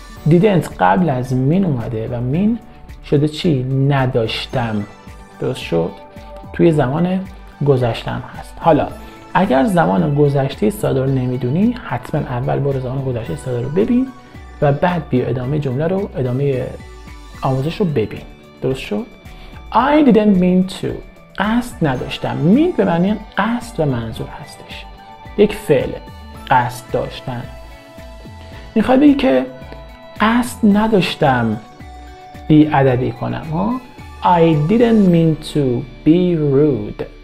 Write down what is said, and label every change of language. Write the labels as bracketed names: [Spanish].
[Persian] didn't قبل از mean اومده و mean شده چی؟ نداشتم. درست شد؟ توی زمان گذشتم هست. حالا اگر زمان گذشته ساده رو نمیدونی، حتما اول برو زمان گذشته ساده رو ببین و بعد بیا ادامه جمله رو، ادامه آموزش رو ببین. درست شد؟ [English] I didn't mean to. [Persian] قصد نداشتم. mean به معنی قصد و منظور هستش. یک فعل، قصد داشتن. میخوای بگی که قصد نداشتم بی ادبی کنم، ها؟ [English] I didn't mean to be rude.